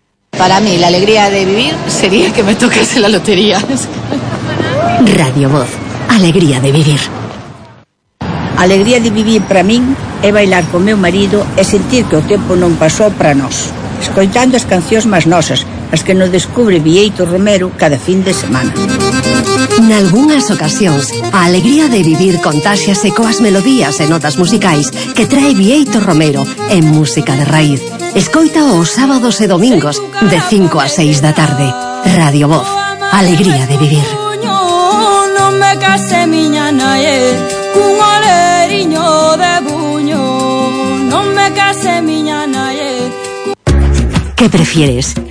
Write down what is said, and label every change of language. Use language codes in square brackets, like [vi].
[es] Para mí, la alegría de vivir sería que me tocase la lotería. Radio Voz, alegría de vivir. [gl] Alegría de vivir para mí é bailar con meu marido e sentir que o tempo non pasou para nós, escoitando as cancións máis nosas, as que nos descubre Vieito Romero cada fin de semana. Nalgúnas ocasións, a alegría de vivir contáxiase coas melodías e notas musicais que trae Vieito Romero en Música de Raíz. Escoita os sábados e domingos de 5 a 6 da tarde. [es] Radio Voz, alegría de vivir. [gl] Non me case miña nae cun oleriño de buño. Non me case miña nae. [es] Que prefieres?